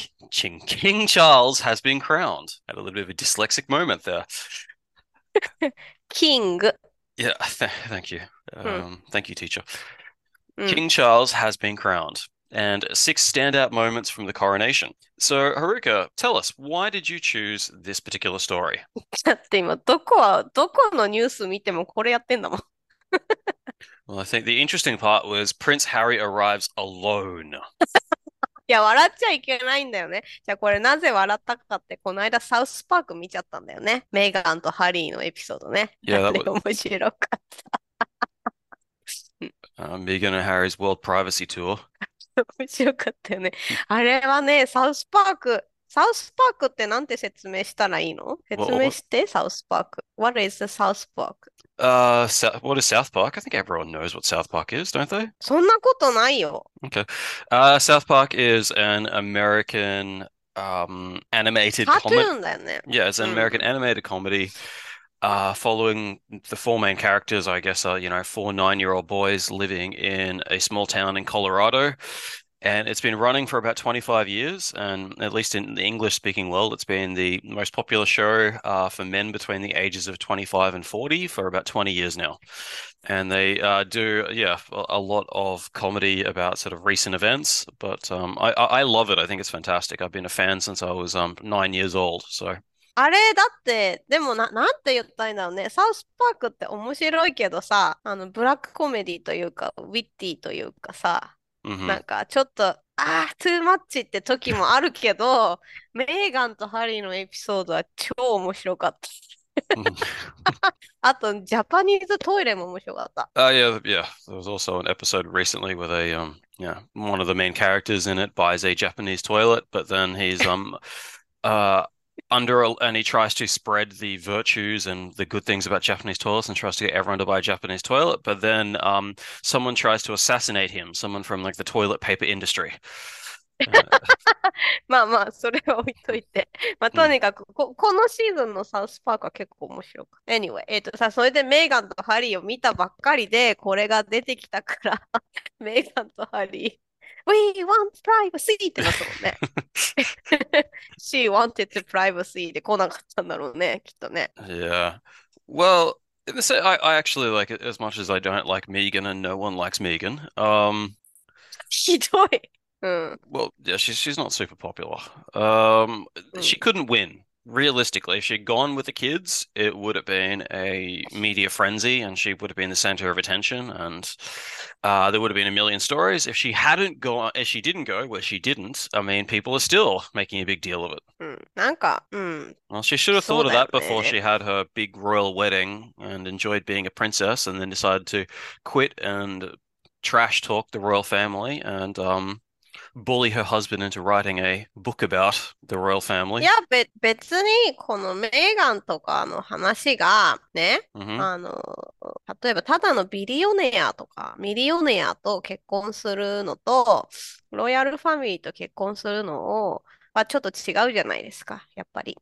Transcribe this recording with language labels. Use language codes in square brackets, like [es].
[en] King Charles has been crowned. Had a little bit of a dyslexic moment there. King. Yeah, thank you. Thank you, teacher. King Charles has been crowned, and six standout moments from the coronation. So, Haruka, tell us, why did you choose this particular story? [ja] だって今どこのニュース見てもこれやってんだもん。 [en] Well, I think the interesting part was Prince Harry arrives alone. [ja] いや、笑っちゃいけないんだよね。じゃあこれなぜ笑ったかって、この間サウスパーク見ちゃったんだよね。メーガンとハリーのエピソードね。 [en] Yeah, [ja] あ [en] that [ja] れ面白かった。 [en] Meghan and Harry's World Privacy Tour. [ja] 面白かったよね。あれはね、サウスパーク。サウスパークってなんて説明したらいいの？説明して、サウスパーク。 [en] What is the South Park? What is South Park? I think everyone knows what South Park is, don't they? [ja] そんなことないよ。 [en] Okay. South Park is an American animated comedy. [ja] カートゥーンだよね。 [en] Yeah, it's an American animated comedy following the four main characters, I guess, are, you know, 4 9-year-old boys living in a small town in Colorado. And it's been running for about 25 years, and at least in the English-speaking world, it's been the most popular show for men between the ages of 25 and 40 for about 20 years now. And they do, yeah, a lot of comedy about sort of recent events, but I love it. I think it's fantastic. I've been a fan since I was 9 years old, so... [ja] あれだって、でもなんて言ったんだろうね。サウスパークって面白いけどさ、ブラックコメディというか、ウィッティというかさ、なんかちょっと、トゥーマッチって時もあるけど、メーガンとハリーのエピソードは超面白かった。あと、ジャパニーズトイレも面白かった。 [en] There was also an episode recently where they, one of the main characters in it buys a Japanese toilet, but then he's, and he tries to spread the virtues and the good things about Japanese toilets and tries to get everyone to buy a Japanese toilet. But then someone tries to assassinate him, someone from like the toilet paper industry. [ja] まあまあ、それは置いといて。まあ、とにかく、このシーズンのサウスパークは結構面白く。 Anyway、さ、それでメーガンとハリーを見たばっかりで、これが出てきたから、メーガンとハリー。 [en] We want privacy! [ja] ってなったもんね。 [en] She wanted to privacy! [ja] で来なかったんだろうね、きっとね。 [en] Yeah. Well, I actually like it as much as I don't like Meghan and no one likes Meghan. [ja] ひどい。 [en] Well, yeah, she's not super popular. She couldn't win. Realistically, if she'd gone with the kids, it would have been a media frenzy and she would have been the center of attention and there would have been a million stories. If she hadn't gone, if she didn't go, well, she didn't. I mean, people are still making a big deal of it. Well, she should have thought of that before she had her big royal wedding and enjoyed being a princess and then decided to quit and trash talk the royal family and, bully her husband into writing a book about the royal family. Yeah, but [ja] 別にこのメーガンとかの話がね、例えばただのビリオネアとかミリオネアと結婚するのとロイヤルファミリーと結婚するのをはちょっと違うじゃないですか、やっぱり。